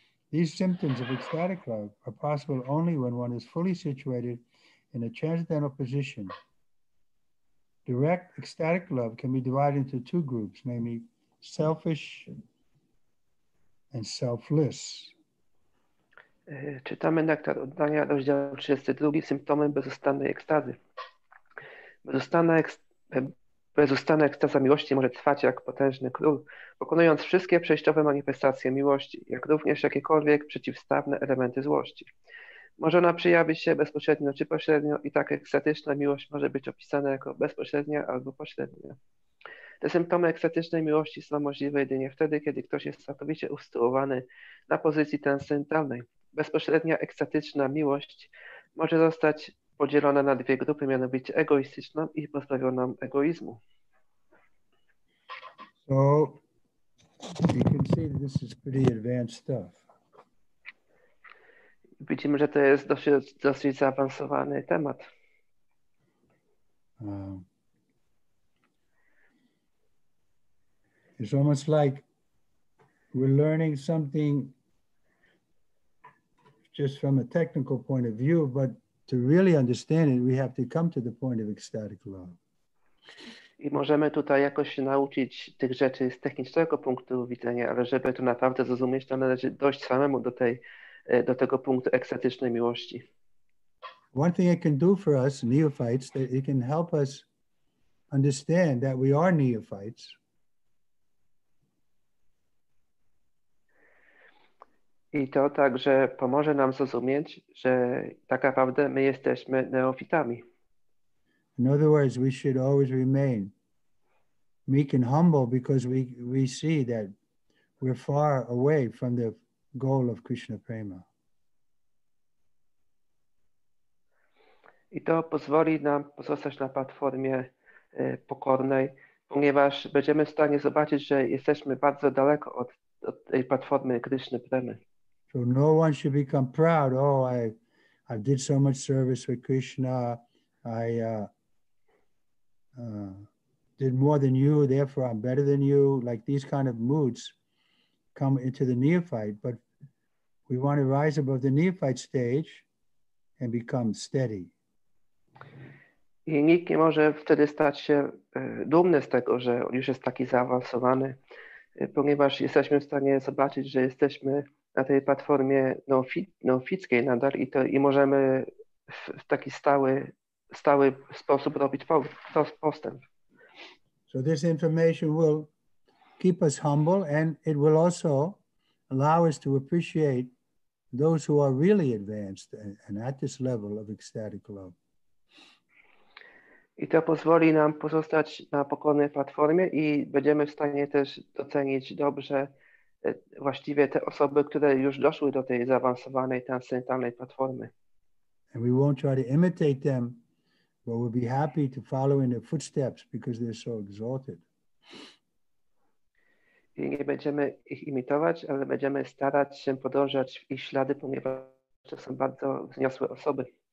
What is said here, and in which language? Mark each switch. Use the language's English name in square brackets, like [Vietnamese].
[English] These symptoms of ecstatic love are possible only when one is fully situated in a transcendental position. Direct ecstatic love can be divided into two groups, namely selfish and selfless. [Polish] Czytamy Nektar Oddania, rozdział 32, symptomy bezustannej ekstazy. Bezustanna ekstaza miłości może trwać jak potężny król, pokonując wszystkie przejściowe manifestacje miłości, jak również jakiekolwiek przeciwstawne elementy złości. Może ona przejawić się bezpośrednio czy pośrednio i tak ekstatyczna miłość może być opisana jako bezpośrednia albo pośrednia. Te symptomy ekstatycznej miłości są możliwe jedynie wtedy, kiedy ktoś jest całkowicie usytuowany na pozycji transcendentalnej. Bezpośrednia ekstatyczna miłość może zostać podzielona na dwie grupy, mianowicie egoistyczną i pozbawioną egoizmu. [English] So you can see that this is pretty advanced stuff. [Polish] Widzimy, że to jest dosyć zaawansowany temat. [English] It's almost like we're learning something just from a technical point of view, but to really understand it, we have to come to the point of ecstatic love. [Polish] I możemy tutaj jakoś się nauczyć tych rzeczy z technicznego punktu widzenia, ale żeby to naprawdę zrozumieć, to należy dojść samemu do tego punktu ekstatycznej miłości. [English] One thing it can do for us, neophytes, that it can help us understand that we are neophytes. [Polish] I to także pomoże nam zrozumieć, że tak naprawdę my jesteśmy neofitami. [English] In other words, we should always remain meek and humble because we see that we're far away from the goal of Krishna Prema. [Polish] I to pozwoli nam pozostać na platformie pokornej, ponieważ będziemy w stanie zobaczyć, że jesteśmy bardzo daleko od tej platformy Krishna Premy. [English] So no one should become proud. Oh, I did so much service with Krishna. I did more than you, therefore I'm better than you. Like these kind of moods come into the neophyte, but we want to rise above the neophyte stage and become steady. [Polish] I nikt nie może wtedy stać się dumny z tego, że już jest taki zaawansowany, ponieważ jesteśmy w stanie zobaczyć, że jesteśmy na tej platformie neofickiej nadal i możemy w taki stały sposób robić postęp. [English] So this information will keep us humble and it will also allow us to appreciate those who are really advanced and at this level of ecstatic love. [Polish] I to pozwoli nam pozostać na pokornej platformie i będziemy w stanie też docenić dobrze właściwie te osoby, które już doszły do tej zaawansowanej, transcendentalnej platformy. [English] And we won't try to imitate them, but we'll be happy to follow in their footsteps because they're so exalted. [Polish] I nie będziemy ich imitować, ale będziemy starać się podążać w ich ślady, ponieważ to są bardzo wzniosłe osoby.